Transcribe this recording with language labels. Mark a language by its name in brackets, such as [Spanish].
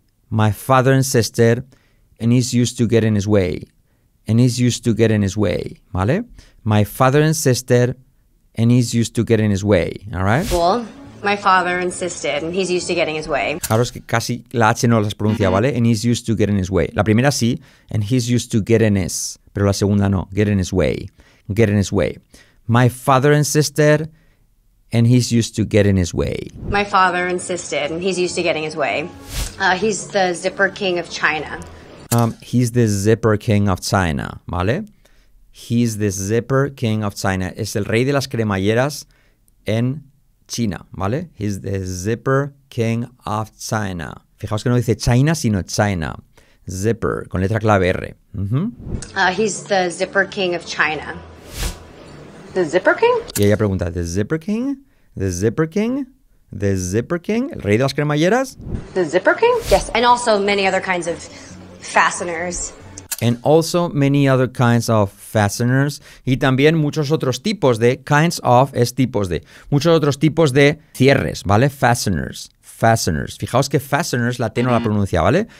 [English] My father insisted, and he's used to getting his way. And he's used to getting his way, ¿vale? My father insisted, and he's used to getting his way, all right? Cool. My father insisted, and he's used to getting his way. [Spanish] Claro, es que casi la H no las pronuncia, ¿vale? [English] And he's used to getting his way. [Spanish] La primera sí, [English] and he's used to getting his, [Spanish] pero la segunda no, [English] getting his way, getting his way. My father insisted, and he's used to getting his way. My father insisted, and he's used to getting his way. He's the zipper king of China. He's the zipper king of China, ¿vale? He's the zipper king of China. [Spanish] Es el rey de las cremalleras en China, ¿vale? [English] He's the zipper king of China. [Spanish] Fijaos que no dice China, sino China. Zipper, con letra clave R. Uh-huh. [English] He's the zipper king of China. The zipper king? [Spanish] Y ella pregunta, [English] ¿the zipper king? ¿The zipper king? ¿The zipper king? [Spanish] ¿El rey de las cremalleras? [English] The zipper king? Yes, and also many other kinds of fasteners. And also many other kinds of fasteners. [Spanish] Y también muchos otros tipos de, [English] kinds of [Spanish] es tipos de, muchos otros tipos de cierres, ¿vale? Fasteners, fasteners. Fijaos que fasteners, la T no la pronuncia, ¿vale?